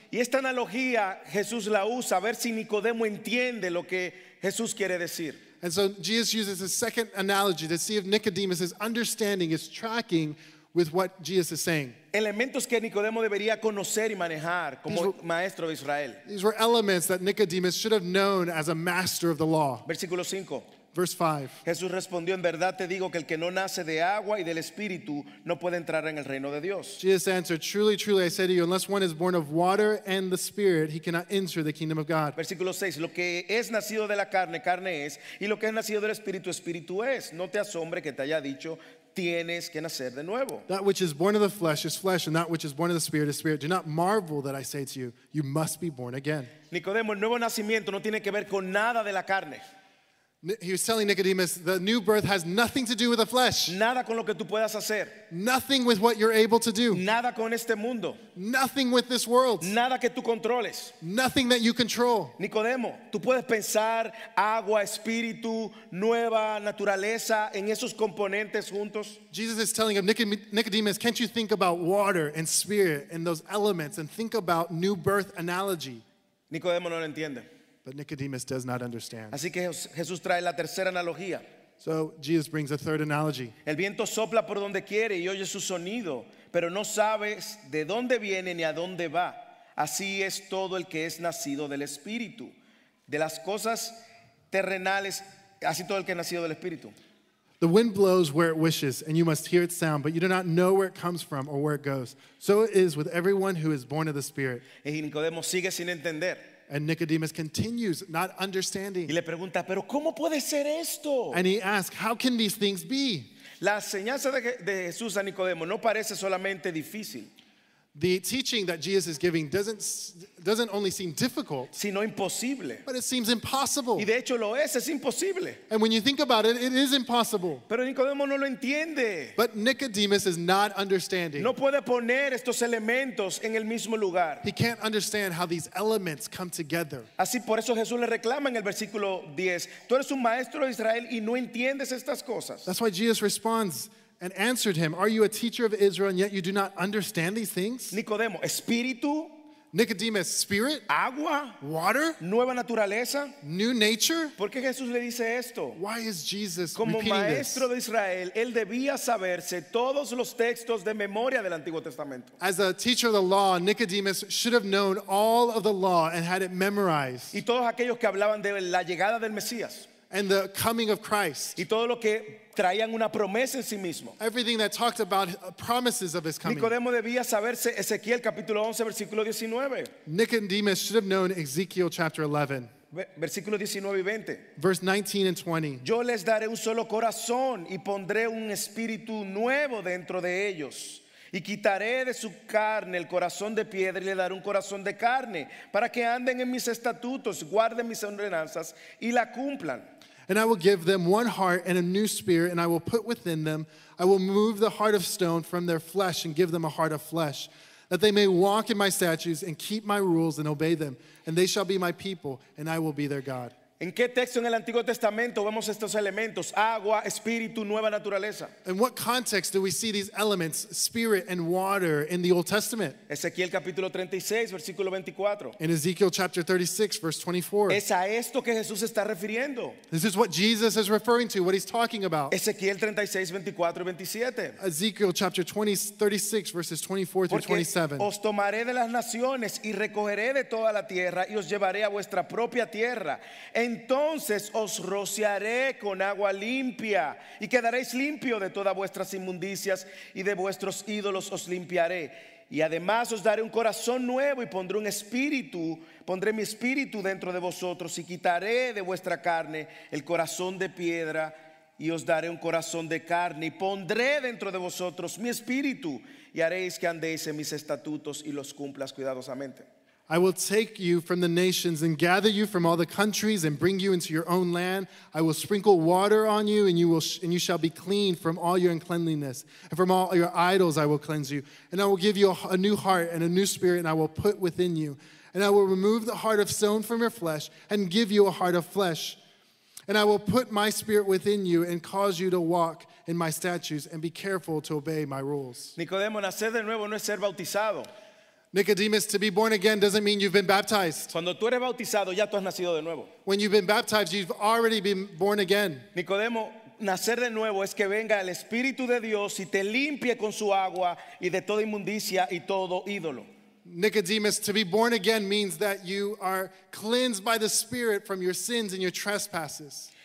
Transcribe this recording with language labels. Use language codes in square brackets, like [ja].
[es] Y esta analogía Jesús la usa a ver si Nicodemo entiende lo que Jesús quiere decir. [en] And so Jesus uses a second analogy to see if Nicodemus is understanding, is tracking with what Jesus is saying. [es] Elementos que Nicodemo debería conocer y manejar como maestro de Israel. [en] These were elements that Nicodemus should have known as a master of the law. [es] Versículo 5. [en] Verse 5. [es] Jesús respondió, en verdad te digo que el que no nace de agua y del espíritu no puede entrar en el reino de Dios. [en] Jesus answered, truly, truly, I say to you, unless one is born of water and the spirit, he cannot enter the kingdom of God. [es] Versículo 6. Lo que es nacido de la carne, carne es, y lo que es nacido del espíritu, espíritu es. No te asombre que te haya dicho, tienes que nacer de nuevo. [en] That which is born of the flesh is flesh, and that which is born of the spirit is spirit. Do not marvel that I say to you, you must be born again. [es] Nicodemo, el nuevo nacimiento no tiene que ver con nada de la carne. [en] He was telling Nicodemus, the new birth has nothing to do with the flesh. [es] Nada con lo que tú puedas hacer. [en] Nothing with what you're able to do. [es] Nada con este mundo. [en] Nothing with this world. [es] Nada que tú controles. [en] Nothing that you control. [es] Nicodemo, tú puedes pensar agua, espíritu, nueva naturaleza en esos componentes juntos. [en] Jesus is telling him, Nicodemus, can't you think about water and spirit and those elements and think about new birth analogy? [es] Nicodemo no lo entiende. [en] But Nicodemus does not understand. [es] Así que Jesús trae la tercera analogía. [en] So Jesus brings a third analogy. [es] El viento sopla por donde quiere y oye su sonido, pero no sabes de dónde viene ni a dónde va. Así es todo el que es nacido del Espíritu. De las cosas terrenales, así todo el que es nacido del Espíritu. [en] The wind blows where it wishes, and you must hear its sound, but you do not know where it comes from or where it goes. So it is with everyone who is born of the Spirit. [es] Y Nicodemo sigue sin entender. [en] And Nicodemus continues, not understanding. [es] Y le pregunta, ¿pero cómo puede ser esto? [en] And he asks, how can these things be? [es] La enseñanza de Jesús a Nicodemo no parece solamente difícil. [en] The teaching that Jesus is giving doesn't only seem difficult, [es] sino imposible. [en] But it seems impossible. [es] Y de hecho lo es imposible. [en] And when you think about it, it is impossible. [es] Pero Nicodemo no lo entiende. [en] But Nicodemus is not understanding. [es] No puede poner estos elementos en el mismo lugar. [en] He can't understand how these elements come together. [es] Así por eso Jesús le reclama en el versículo 10, tú eres un maestro de Israel y no entiendes estas cosas. [en] That's why Jesus responds and answered him, are you a teacher of Israel and yet you do not understand these things? [es] Nicodemo, espíritu? [en] Nicodemus, spirit? [es] Agua? [en] Water? [es] Nueva naturaleza? [en] New nature? [es] ¿Por qué Jesús le dice esto? [en] Why is Jesus [es] como [en] repeating maestro this? [es] Como maestro de Israel, él debía saberse todos los textos de memoria del Antiguo Testamento. [en] As a teacher of the law, Nicodemus should have known all of the law and had it memorized. [es] Y todos aquellos que hablaban de la llegada del Mesías. [en] And the coming of Christ. [es] Y todo lo que traían una promesa en sí mismo. [en] Everything that talked about promises of his coming. [es] Nicodemo debía saberse Ezequiel capítulo 11 versículo 19. [en] Nicodemus should have known Ezekiel chapter 11. [es] Versículo 19 y 20. [en] Verse 19 and 20. [es] Yo les daré un solo corazón y pondré un espíritu nuevo dentro de ellos. Y quitaré de su carne el corazón de piedra y le daré un corazón de carne para que anden en mis estatutos, guarden mis ordenanzas y la cumplan. [en] And I will give them one heart and a new spirit and I will put within them, I will move the heart of stone from their flesh and give them a heart of flesh, that they may walk in my statutes and keep my rules and obey them, and they shall be my people and I will be their God. [es] ¿En qué texto en el Antiguo Testamento vemos estos elementos? Agua, espíritu, nueva naturaleza. [en] In what context do we see these elements, spirit and water, in the Old Testament? [es] Ezequiel capítulo 36, versículo 24. [en] In Ezekiel chapter 36, verse 24. [es] Es a esto que Jesús está refiriendo. [en] This is what Jesus is referring to, what he's talking about. [es] Ezequiel 36, 24 y 27. [en] Ezekiel chapter 36, verses 24 through 27. [es] Os tomaré de las naciones y recogeré de toda la tierra y os llevaré a vuestra propia tierra. Entonces os rociaré con agua limpia y quedaréis limpio de todas vuestras inmundicias y de vuestros ídolos os limpiaré. Y además os daré un corazón nuevo y pondré un espíritu, pondré mi espíritu dentro de vosotros y quitaré de vuestra carne el corazón de piedra y os daré un corazón de carne y pondré dentro de vosotros mi espíritu y haréis que andéis en mis estatutos y los cumplas cuidadosamente. [en] I will take you from the nations and gather you from all the countries and bring you into your own land. I will sprinkle water on you and you shall be clean from all your uncleanliness. And from all your idols I will cleanse you. And I will give you a new heart and a new spirit and I will put within you. And I will remove the heart of stone from your flesh and give you a heart of flesh. And I will put my spirit within you and cause you to walk in my statutes and be careful to obey my rules. [es] Nicodemo, nacer de nuevo no es ser bautizado. [en] Nicodemus, to be born again doesn't mean you've been baptized. [es] Cuando tú eres bautizado, ya tú has nacido de nuevo. [en] When you've been baptized, you've already been born again. [es] Nicodemo, nacer de nuevo es que venga el Espíritu de Dios y te limpie con su agua y de toda inmundicia y todo ídolo. [en] Nicodemus, to be born again means that you are cleansed by the Spirit from your sins and your trespasses.